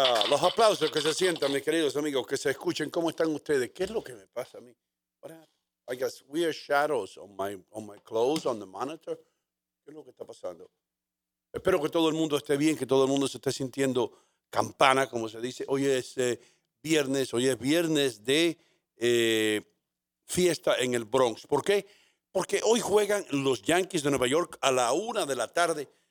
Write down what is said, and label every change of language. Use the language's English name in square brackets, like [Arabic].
[Spanish] Los aplausos que se sientan, mis queridos amigos, que se escuchen. ¿Cómo están ustedes? ¿Qué es lo que me pasa a mí? [English] I got weird shadows on my clothes, on the monitor. [Spanish] ¿Qué es lo que está pasando? Espero que todo el mundo esté bien, que todo el mundo se esté sintiendo campana, como se dice. Hoy es viernes de fiesta en el Bronx. ¿Por qué? Porque hoy juegan los Yankees de Nueva York a la 1:00 p.m.